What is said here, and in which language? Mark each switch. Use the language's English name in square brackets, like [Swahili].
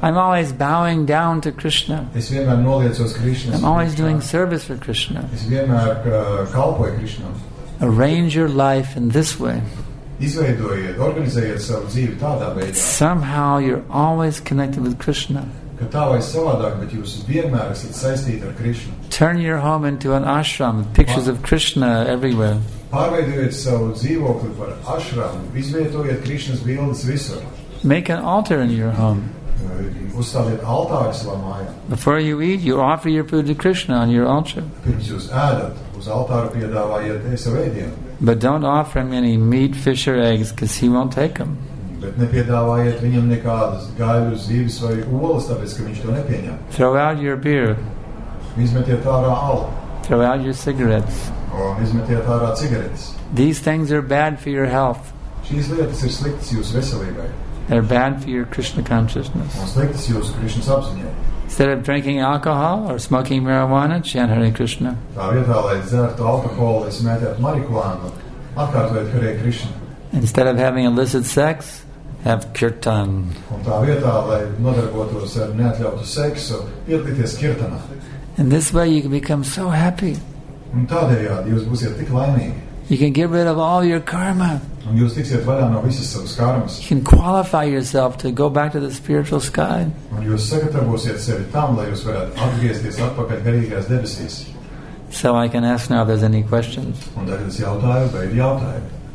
[English] I'm always bowing down to Krishna. [Latvian] Es vienmēr noliecos Krishna. [English] I'm always doing service for Krishna. [Latvian] Es vienmēr kalpoju Krishna. [English] Arrange your life in this way. [Latvian] Izveidojiet, organizējiet savu dzīvi tādā veidā. [English] Somehow you're always connected with Krishna. [Latvian] Ka tā vai savādāk, bet jūs vienmēr esat saistīti ar Krishna. [English] Turn your home into an ashram, pictures of Krishna everywhere. [Latvian] Pārveidojiet savu dzīvokli par ashramu, izvietojiet Krishnas bildes visur. [English] Make an altar in your home. [Latvian] Uzstādiet altāri savā mājā. [English] Before you eat, you offer your food to Krishna on your altar. [Latvian] Pirms jūs ēdat, uz altāru piedāvājiet savu ēdienu. [English] But don't offer him any meat, fish or eggs, because he won't take them. [Latvian] Bet nepiedāvājiet viņam nekādas gaļas, zivis vai olas, tāpēc, ka viņš to nepieņem. [English] Throw out your beer. [Latvian] Izmetiet ārā alu. [English] Throw out your cigarettes. [Latvian] Un izmetiet ārā cigaretes. [English] These things are bad for your health. [Latvian] Šīs lietas ir sliktas jūsu veselībai. [English] They're bad for your Krishna consciousness. [Latvian] Un sliktas jūsu Krishnas apziņai. [English] Instead of drinking alcohol or smoking marijuana, chant Hare Krishna. [Latvian] Tā vietā, lai dzertu alkoholu, es mētētu marihuānu, atkārtojiet Hare Krishna. [English] Instead of having illicit sex, have kirtan. [Latvian] Un tā vietā, lai nodarbotos ar neatļautu seksu, piedalīties kirtanā. [English] In this way you can become so happy. [Latvian] Un tādējādi jūs būsiet tik laimīgi. [English] You can get rid of all your karma. [Latvian] Un jūs tiksiet vaļā no visas savas karmas. [English] You can qualify yourself to go back to the spiritual sky. [Latvian] Un jūs sagatavosiet sevi tam, lai jūs varētu atgriezties atpakaļ garīgās debesīs. [English] So I can ask now if there's any questions. [Latvian] Un tagad es jautāju, vai ir jautājumi.